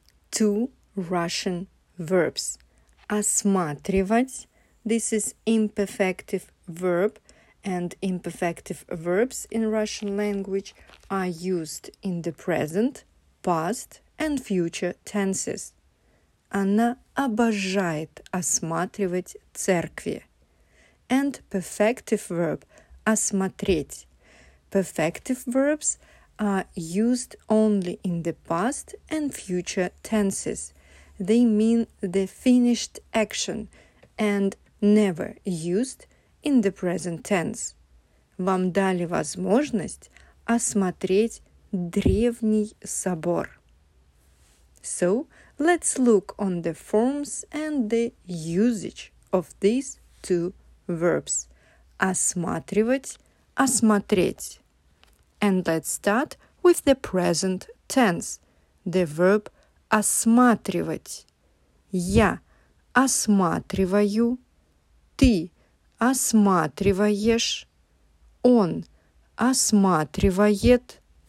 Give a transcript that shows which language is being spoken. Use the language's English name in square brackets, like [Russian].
[English] Two Russian verbs. Осматривать. This is imperfective verb, and imperfective verbs in Russian language are used in the present, past, and future tenses. [Russian] Она обожает осматривать церкви. [English] And perfective verb осмотреть. Perfective verbs are used only in the past and future tenses. They mean the finished action and never used in the present tense. [Russian] Вам дали возможность осмотреть древний собор. [English] So, let's look on the forms and the usage of these two verbs. [Russian] Осматривать, осмотреть. [English] And let's start with the present tense. The verb [Russian] осматривать. Я осматриваю. Ты осматриваешь. Он осматривает.